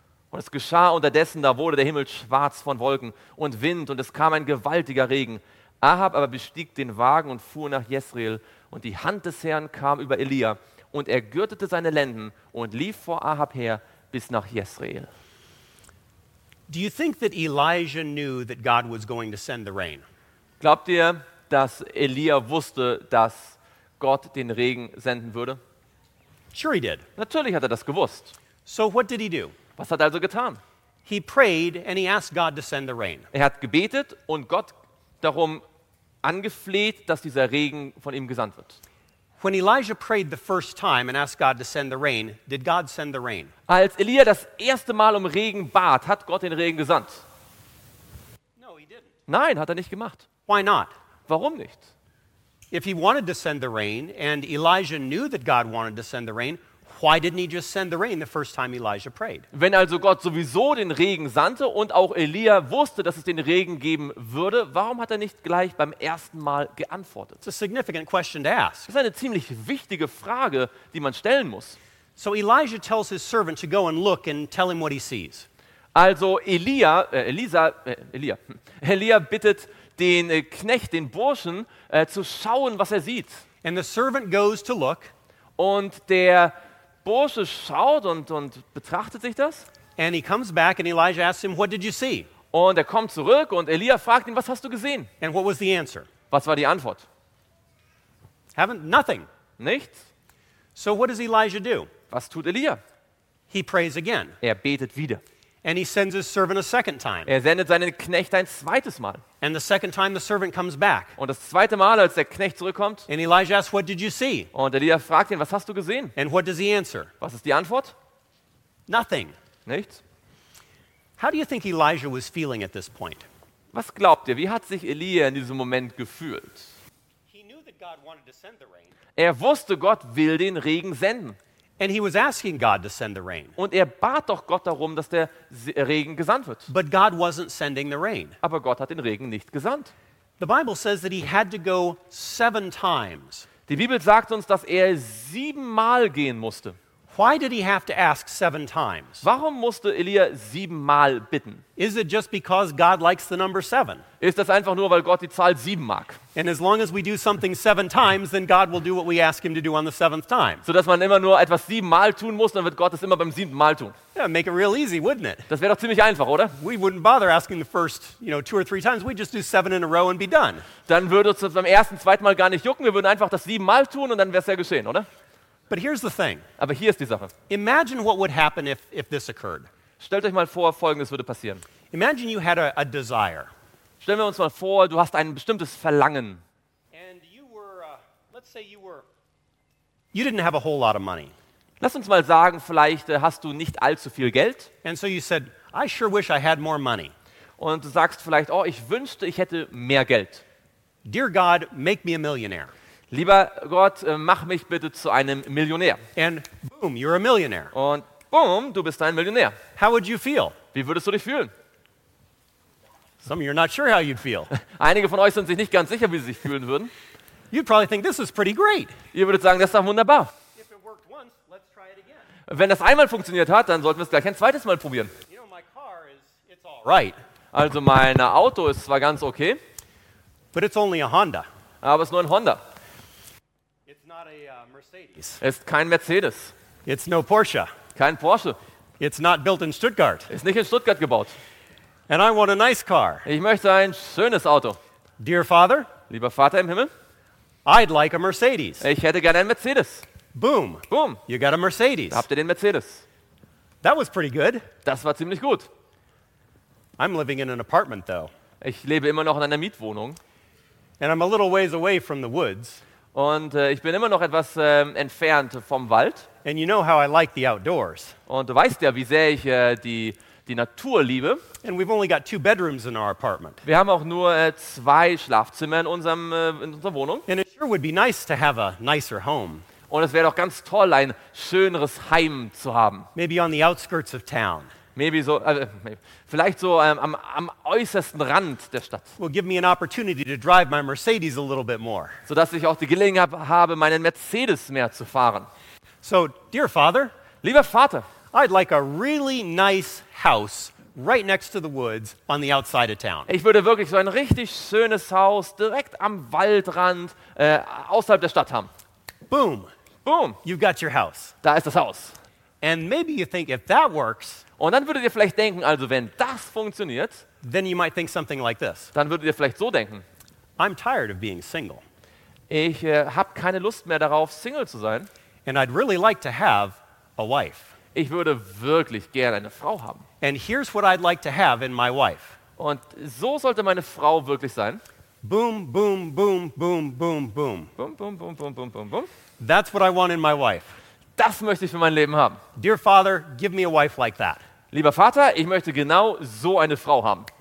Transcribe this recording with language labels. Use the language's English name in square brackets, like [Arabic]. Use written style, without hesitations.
[German] Und es geschah unterdessen, da wurde der Himmel schwarz von Wolken und Wind, und es kam ein gewaltiger Regen. Ahab aber bestieg den Wagen und fuhr nach Jezreel, und die Hand des Herrn kam über Elia, und er gürtete seine Lenden und lief vor Ahab her bis nach Jezreel. [English] Do you think that Elijah knew that God was going to send the rain? [German] Glaubt ihr, dass Elia wusste, dass Gott den Regen senden würde? [English] Sure he did. [German] Natürlich hat er das gewusst. [English] So what did he do? [German] Was hat er also getan? [English] He prayed and he asked God to send the rain. [German] Er hat gebetet und Gott darum angefleht, dass dieser Regen von ihm gesandt wird. [English] When Elijah prayed the first time and asked God to send the rain, did God send the rain? [German] Als Elia das erste Mal um Regen bat, hat Gott den Regen gesandt? [English] No, he didn't. [German] Nein, hat er nicht gemacht. [English] Why not? [German] Warum nicht? [English] If he wanted to send the rain and Elijah knew that God wanted to send the rain, why didn't he just send the rain the first time Elijah prayed? [German] Wenn also Gott sowieso den Regen sandte und auch Elia wusste, dass es den Regen geben würde, warum hat er nicht gleich beim ersten Mal geantwortet? [English] It's a significant question to ask. [German] Das ist eine ziemlich wichtige Frage, die man stellen muss. [English] So Elijah tells his servant to go and look and tell him what he sees. [German] Also Elia bittet den Knecht, den Burschen, zu schauen, was er sieht. [English] And the servant goes to look. [German] Und der Bursche schaut und betrachtet sich das. [English] And he comes back and Elijah asks him, what did you see? [German] Und er kommt zurück und Elia fragt ihn, was hast du gesehen? [English] And what was the answer? [German] Was war die Antwort? [English] Haven't nothing. [German] Nichts. [English] So what does Elijah do? [German] Was tut Elia? [English] He prays again. [German] Er betet wieder. [English] And he sends his servant a second time. [German] Er sendet seinen Knecht ein zweites Mal. [English] And the second time the servant comes back. [German] Und das zweite Mal, als der Knecht zurückkommt. [English] And Elijah asks, what did you see? [German] Und Elia fragt ihn, was hast du gesehen? [English] And what does he answer? [German] Was ist die Antwort? [English] Nothing. [German] Nichts. [English] How do you think Elijah was feeling at this point? [German] Was glaubt ihr, wie hat sich Elia in diesem Moment gefühlt? [English] He knew that God wanted to send the rain. [German] Er wusste, Gott will den Regen senden. [English] And he was asking God to send the rain. [German] Und er bat doch Gott darum, dass der Regen gesandt wird. [English] But God wasn't sending the rain. [German] Aber Gott hat den Regen nicht gesandt. [English] The Bible says that he had to go 7 times. [German] Die Bibel sagt uns, dass er 7-mal gehen musste. [English] Why did he have to ask 7 times? [German] Warum musste Elia 7-mal bitten? [English] Is it just because God likes the number 7? [German] Ist das einfach nur, weil Gott die Zahl 7 mag? [English] And as long as we do something 7 times, then God will do what we ask him to do on the 7th time. [German] So dass man immer nur etwas 7-mal tun muss, dann wird Gott es immer beim 7. Mal tun. [English] Yeah, make it real easy, wouldn't it? [German] Das wäre doch ziemlich einfach, oder? [English] We wouldn't bother asking the first, you know, 2 or 3 times. We'd just do 7 in a row and be done. [German] Dann würde es beim ersten, zweiten Mal gar nicht jucken. Wir würden einfach das 7-mal tun und dann wäre es ja geschehen, oder? [English] But here's the thing. [German] Aber hier ist die Sache. [English] Imagine what would happen if this occurred. [German] Stellt euch mal vor, Folgendes würde passieren. [English] Imagine you had a desire. [German] Stellen wir uns mal vor, du hast ein bestimmtes Verlangen. [English] And you were, let's say you were, you didn't have a whole lot of money. [German] Lass uns mal sagen, vielleicht hast du nicht allzu viel Geld. [English] And so you said, I sure wish I had more money. [German] Und du sagst vielleicht, oh, ich wünschte, ich hätte mehr Geld. [English] Dear God, make me a millionaire. [German] Lieber Gott, mach mich bitte zu einem Millionär. [English] And boom, you're a millionaire. [German] Und boom, du bist ein Millionär. [English] How would you feel? [German] Wie würdest du dich fühlen? [English] Some of you are not sure how you'd feel. [German] Einige von euch sind sich nicht ganz sicher, wie sie sich fühlen würden. [English] You'd probably think this is pretty great. [German] Ihr würdet sagen, das ist doch wunderbar. [English] If it worked once, let's try it again. [German] Wenn das einmal funktioniert hat, dann sollten wir es gleich ein zweites Mal probieren. [English] You know, my car is, it's all right. [German] Also mein Auto ist zwar ganz okay, [English] but it's only a Honda. [German] Aber es ist nur ein Honda. [English] Mercedes. [German] Ist kein Mercedes. [English] It's no Porsche. [German] Kein Porsche. [English] It's not built in Stuttgart. [German] Ist nicht in Stuttgart gebaut. [English] And I want a nice car. [German] Ich möchte ein schönes Auto. [English] Dear Father, [German] lieber Vater im Himmel, [English] I'd like a Mercedes. [German] Ich hätte gerne einen Mercedes. [English] Boom. [German] Boom. [English] You got a Mercedes. [German] Da habt ihr den Mercedes. [English] That was pretty good. [German] Das war ziemlich gut. [English] I'm living in an apartment though. [German] Ich lebe immer noch in einer Mietwohnung. [English] And I'm a little ways away from the woods. [German] Und ich bin immer noch etwas entfernt vom Wald. [English] And you know how I like the outdoors. [German] Und du weißt ja, wie sehr ich die Natur liebe. [English] And we've only got two bedrooms in our apartment. [German] Wir haben auch nur zwei Schlafzimmer in unserer Wohnung. [English] And it sure would be nice to have a nicer home. [German] Und es wäre doch ganz toll, ein schöneres Heim zu haben. [English] Maybe on the outskirts of town. Maybe so, [German] vielleicht so am äußersten Rand der Stadt. [English] Will give me an opportunity to drive my Mercedes a little bit more. [German] So dass ich auch die Gelegenheit habe, meinen Mercedes mehr zu fahren. [English] So, dear father, [German] lieber Vater, [English] I'd like a really nice house right next to the woods on the outside of town. [German] Ich würde wirklich so ein richtig schönes Haus direkt am Waldrand außerhalb der Stadt haben. [English] Boom, [German] boom, [English] you've got your house. [German] Da ist das Haus. [English] And maybe you think if that works. [German] Und dann würdet ihr vielleicht denken, also wenn das funktioniert, [English] then you might think something like this. [German] Dann würdet ihr vielleicht so denken. [English] I'm tired of being single. [German] Ich habe keine Lust mehr darauf, Single zu sein. [English] And I'd really like to have a wife. [German] Ich würde wirklich gerne eine Frau haben. [English] And here's what I'd like to have in my wife. [German] Und so sollte meine Frau wirklich sein. [English] Boom, boom, boom, boom, boom, boom. [German] Boom, boom, boom, boom, boom, boom, boom. [English] That's what I want in my wife. [German] Das möchte ich für mein Leben haben. [English] Dear father, give me a wife like that. [German] Lieber Vater, ich möchte genau so eine Frau haben.